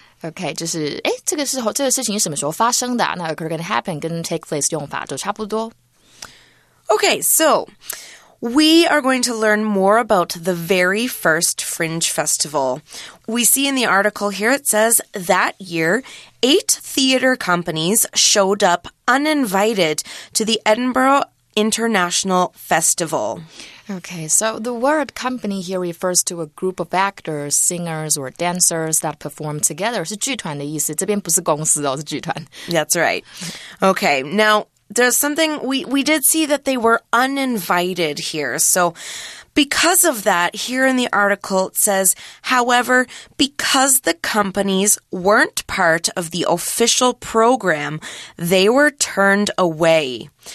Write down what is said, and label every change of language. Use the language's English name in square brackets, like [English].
[Chinese] Okay, 就是诶，这个事情是什么时候发生的啊？那 occur 跟 happen 跟 take place 用法都差不多。 [English] Okay, so... We are going to learn more about the very first Fringe Festival. We see in the article here, it says, that year, 8 theater companies showed up uninvited to the Edinburgh International Festival. Okay, so the word company here refers to a group of actors, singers, or dancers that perform together. [Chinese] 是剧团的意思，这边不是公司哦，是剧团。 [English] That's right. Okay, now... There's something, we did see that they were uninvited here. So because of that, here in the article it says, however, because the companies weren't part of the official program, they were turned away.